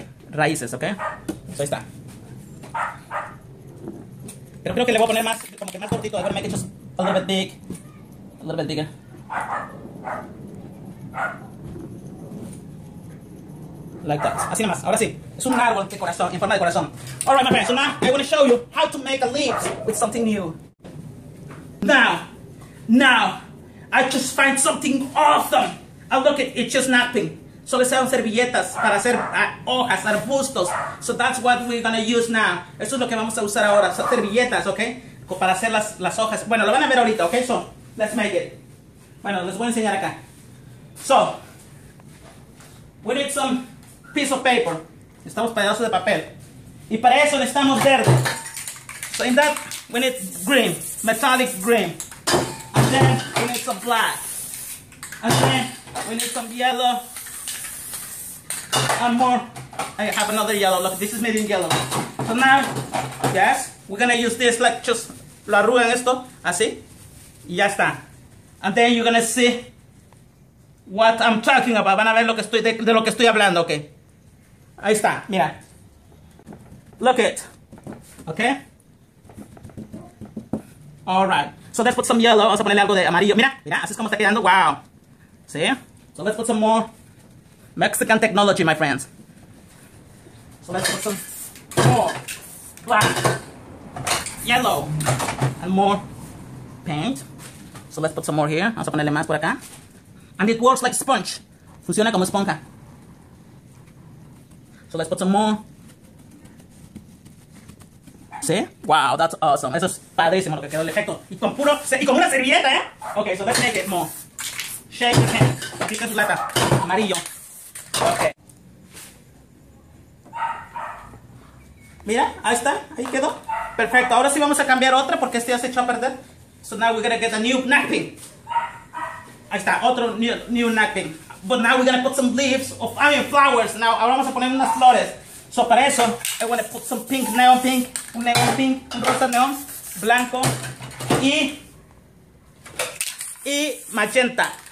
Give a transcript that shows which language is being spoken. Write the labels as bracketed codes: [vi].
[es] Raíces, okay? So ahí está. Pero creo que le voy a poner más, como que más cortito, [en] I'm gonna make it just a little bit big. A little bit bigger. Like that. [es] Así nomás, ahora sí. Es un árbol de corazón, en forma de corazón. [en] Alright, my friends, so now I want to show you how to make a leaves with something new. Now, I just find something awesome. I look at it, it's just nothing. [es] Solo sean servilletas para hacer hojas, arbustos. [en] So that's what we're gonna use now. [es] Eso es lo que vamos a usar ahora. So servilletas, ¿ok? Para hacer las hojas. Bueno, lo van a ver ahorita, ¿ok? [en] So, let's make it. [es] Bueno, les voy a enseñar acá. [en] So, we need some piece of paper. [es] Estamos pedazos de papel. Y para eso necesitamos verde. [en] So in that, we need green. Metallic green. And then, we need some black. And then, we need some yellow. And more, I have another yellow. Look, this is made in yellow. So now, yes, we're gonna use this, like just [es] lo arruga en esto, así, y ya está. [en] And then you're gonna see what I'm talking about. [es] Van a ver lo que estoy de lo que estoy hablando, ok. Ahí está, mira. [en] Look it, [es] ok. [en] Alright, so let's put some yellow. [es] Vamos a ponerle algo de amarillo. Mira, así es como está quedando. [en] Wow, see, so let's put some more. Mexican technology, my friends. So let's put some more black, yellow, and more paint. So let's put some more here. [es] Vamos a ponerle más por acá. [en] And it works like sponge. [es] Funciona como esponja. [en] So let's put some more. See? Wow, that's awesome. [es] Eso es padrísimo lo que quedó el efecto. Y con una servilleta, eh? Okay, [en] so let's make it more. Shake the paint. [es] Quita su lata. Amarillo. Okay. Mira, ahí está, ahí quedó. Perfecto, ahora sí vamos a cambiar otra porque este ya se echó a perder. [en] So now we're gonna get a new napkin. [es] Ahí está, otro [en] new napkin. But now we're gonna put some leaves of, I mean flowers. Now, [es] ahora vamos a poner unas flores. [en] So [es] para eso, [en] I wanna put some pink, neon pink. [es] Un neon pink, un rosa neon. Blanco. Y magenta.